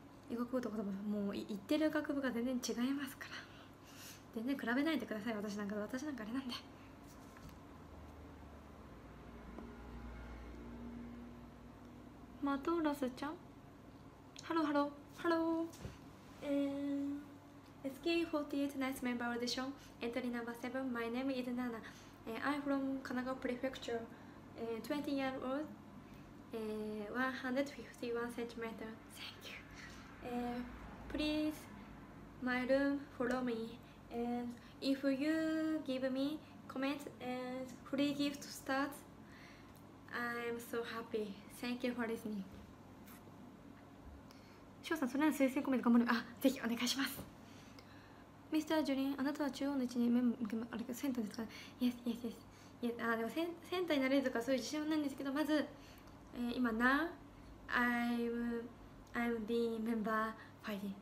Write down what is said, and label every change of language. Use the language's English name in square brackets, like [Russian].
[Japanese] 医学部とか多分もう行ってる学部が全然違いますから、全然比べないでください。私なんかあれなんで。マトラスちゃん、ハローハローハロー。 [English] SK48 nice member audition entry number 7. My name is Nana. I'm from Kanagawa Prefecture. 20 year old. 151 centimeter. Thank you. Please my room follow me. And if you give me comment and free gift start, I'm so happy. Thank you for listening. [Japanese] しょうさん、それなら推薦コメント頑張る。あ、ぜひお願いします。ミスタージュリン、あなたは中央の位置に目を向けます。あれがセンターですか？ [English] Yes, yes, yes. Yes. [Japanese] あ、でもセンターになれるとかそういう自信はないんですけど、まず、今 [English] Now I'm the member fighting.